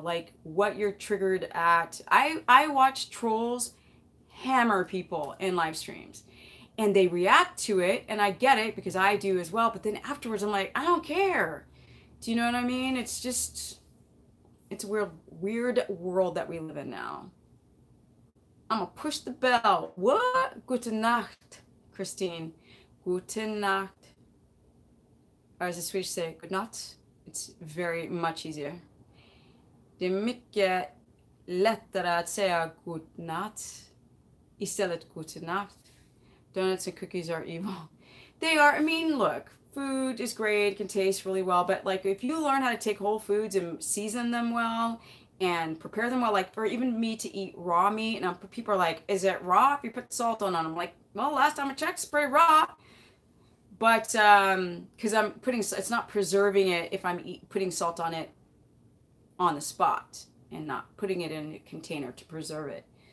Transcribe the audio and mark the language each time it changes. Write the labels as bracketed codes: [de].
[en] Like, what you're triggered at. I watch trolls hammer people in live streams, and they react to it, and I get it because I do as well, but then afterwards I'm like, I don't care. Do you know what I mean? It's just... It's a weird world that we live in now. I'm gonna push the bell. What? [de] Gute Nacht, Christine. Gute Nacht. [en] Or as the Swedish say, good night. It's very much easier. [sv] Det är mycket lättare att säga god natt istället [de] gute natt. [en] Donuts and cookies are evil. They are, I mean, look. Food is great, can taste really well, but like if you learn how to take whole foods and season them well and prepare them well, like for even me to eat raw meat, and people are like, is it raw if you put salt on it? I'm like, well, last time I checked, spray raw. But because I'm putting, it's not preserving it if I'm putting salt on it on the spot and not putting it in a container to preserve it.